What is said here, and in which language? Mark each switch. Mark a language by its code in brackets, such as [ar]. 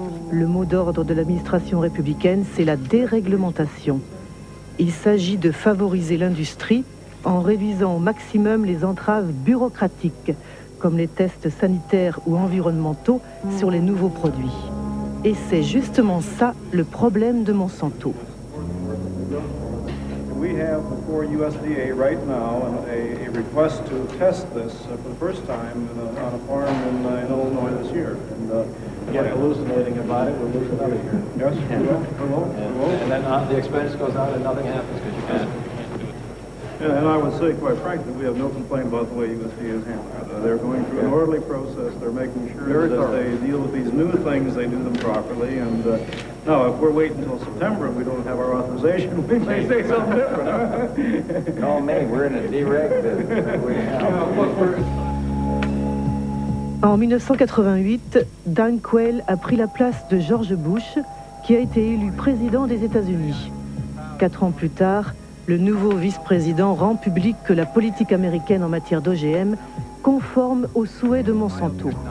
[fr] Le mot d'ordre de l'administration républicaine, c'est la déréglementation. Il s'agit de favoriser l'industrie en réduisant au maximum les entraves bureaucratiques, comme les tests sanitaires ou environnementaux sur les nouveaux produits. Et c'est justement ça le problème de Monsanto. [en] We have before USDA right now a request to test this for the first time on a farm in Illinois this year. And get hallucinating about it, we'll lose another year. Yes, we will. And then the expense goes out and nothing happens because you can't. Yeah, and I would say, quite frankly, we have no complaint about the way USDA is handling it. They're going through an orderly process. They're making sure that they deal with these new things, they do them properly. Now, if we're waiting until September and we don't have our authorization, we may say something different. Call me, we're in a direct [fr] En 1988, Dan Quayle a pris la place de George Bush, qui a été élu président des États-Unis. Quatre ans plus tard, le nouveau vice-président rend public que la politique américaine en matière d'OGM conforme aux souhaits de Monsanto.